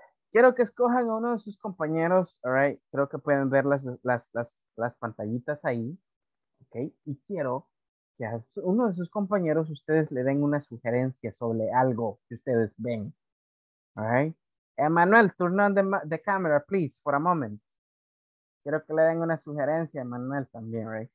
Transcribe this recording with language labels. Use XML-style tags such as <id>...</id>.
<es>Quiero que escojan a uno de sus compañeros, all right? Creo que pueden ver las pantallitas ahí, okay? Y quiero que a uno de sus compañeros ustedes le den una sugerencia sobre algo que ustedes ven, all right?</es> <en>Emmanuel, turn on the camera, please, for a moment.</en> <es>Quiero que le den una sugerencia a Emmanuel también, right?</es>